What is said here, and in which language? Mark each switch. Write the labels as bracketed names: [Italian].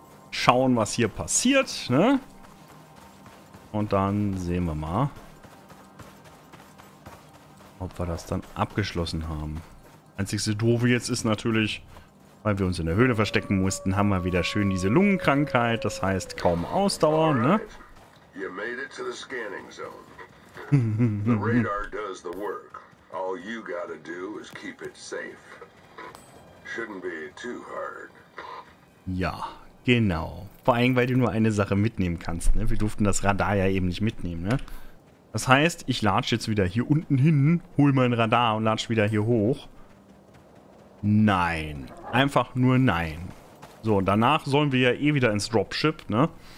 [German] Schauen, was hier passiert. Ne? Und dann sehen wir mal, ob wir das dann abgeschlossen haben. Einzigste Doofe jetzt ist natürlich, weil wir uns in der Höhle verstecken mussten, haben wir wieder schön diese Lungenkrankheit. Das heißt, kaum Ausdauer. Ne? [English] You made it to the scanning zone. The radar does the work. All you gotta do is keep it safe. Shouldn't be too hard. [German] Ja, genau. Vor allem, weil du nur eine Sache mitnehmen kannst. Ne? Wir durften das Radar ja eben nicht mitnehmen. Ne? Das heißt, ich latsche jetzt wieder hier unten hin, hol mein Radar und latsche wieder hier hoch. Nein. Einfach nur nein. So, danach sollen wir ja eh wieder ins Dropship. Ne?